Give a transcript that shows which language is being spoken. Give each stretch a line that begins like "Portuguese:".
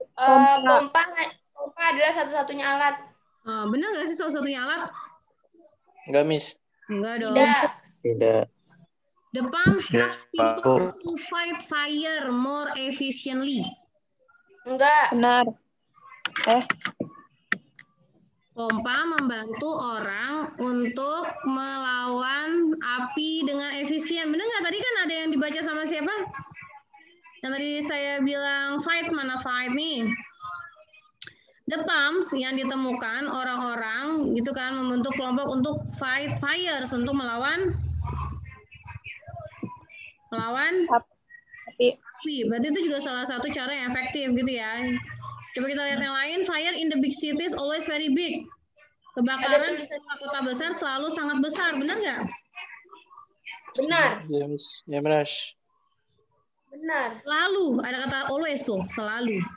Indonesian: Pompa adalah satu-satunya alat. Benar nggak sih salah satunya alat? Enggak, Miss. Enggak dong. Tidak.
English: The pump has people to fight fire more efficiently.
Indonesian: Enggak. Benar. Pompa membantu orang untuk melawan api dengan efisien. Benar nggak? Tadi kan ada yang dibaca sama siapa? Yang tadi saya bilang fight, mana fight nih?
English: The pumps
Indonesian: yang ditemukan orang-orang gitu kan membentuk kelompok untuk
English: fight fires,
Indonesian: untuk melawan api. Berarti itu juga salah satu cara yang efektif gitu ya. Coba kita lihat yang lain.
English: Fire in the big cities always very big.
Indonesian: Kebakaran di kota besar selalu sangat besar. Benar nggak? Benar. Ya, benar. Benar. Selalu. Ada kata always loh. Selalu.